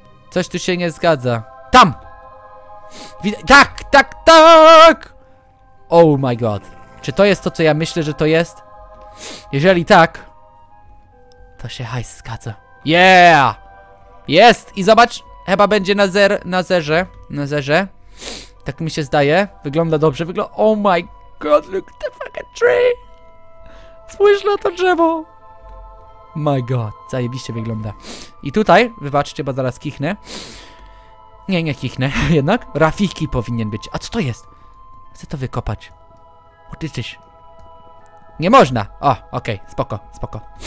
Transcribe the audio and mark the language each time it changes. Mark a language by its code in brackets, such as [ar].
[pl] Coś tu się nie zgadza. Tam! Tak, tak, tak! [en] Oh my god. [pl] Czy to jest to, co ja myślę, że to jest? Jeżeli tak, to się hajs zgadza. [en] Yeah! [pl] Jest! I zobacz, chyba będzie na zer, na zerze. Na zerze. Tak mi się zdaje. Wygląda dobrze. Wygląda. [en] Oh my god, look at the fucking tree! [pl] Spójrz na to drzewo! [en] My god, [pl] zajebiście wygląda. I tutaj, wybaczcie, bo zaraz kichnę. Nie, nie kichnę, jednak. Rafiki powinien być. A co to jest? Chcę to wykopać. [en] What is this? [pl] Nie można! O, okej, okay, spoko, spoko.